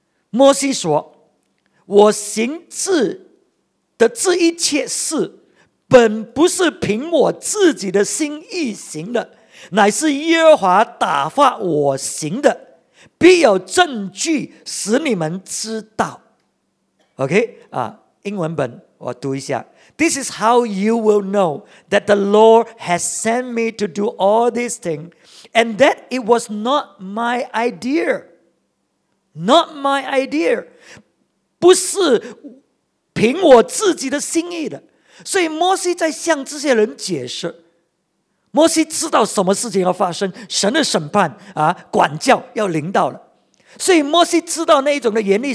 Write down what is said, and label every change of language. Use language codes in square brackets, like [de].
[zh] 摩西说，我行至的这一切事本不是凭我自己的心意行的，乃是耶和华打发我行的，必有证据使你们知道。 [en] OK [zh] 英文本我读一下， [en] This is how you will know that the Lord has sent me to do all these things, and that it was not my idea. Not my idea. [zh] 不是凭我自己的心意的。所以摩西在向这些人解释，摩西知道什么事情要发生，神的审判管教要临到了，所以摩西知道那一种的严厉。